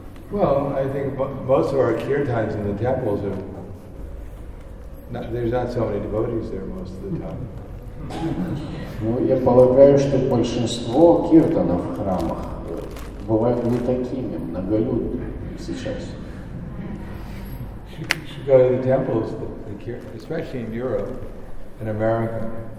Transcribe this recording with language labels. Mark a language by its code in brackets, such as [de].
[en] Well, I think most of our kirtans in the temples are not, there's not so many devotees there most of the time. [ru] Ну, я полагаю, что большинство киртанов в храмах бывают не такими многолюдными сейчас. [en] Should go to the temples, especially in Europe and America.